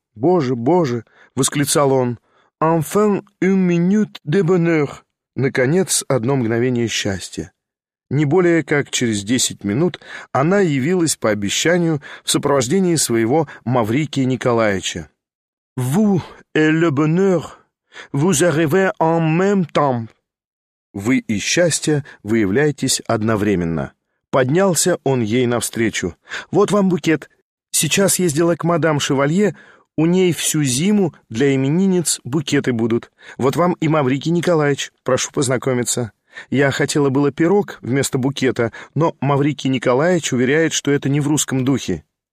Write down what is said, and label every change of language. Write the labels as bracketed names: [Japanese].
[Russian] Боже, боже!» — восклицал он. [French] «Enfin une minute de bonheur!» [Russian] — наконец, одно мгновение счастья. Не более как через 10 минут она явилась по обещанию в сопровождении своего Маврикия Николаевича. [French] «Vous et le bonheur, vous arrivez en même temps!» [Russian] «Вы и счастье выявляетесь одновременно». Поднялся он ей навстречу. «Вот вам букет. Сейчас ездила к мадам Шевалье. У ней всю зиму для именинниц букеты будут. Вот вам и Маврикий Николаевич. Прошу познакомиться. Я хотела было пирог вместо букета, но Маврикий Николаевич уверяет, что это не в русском духе».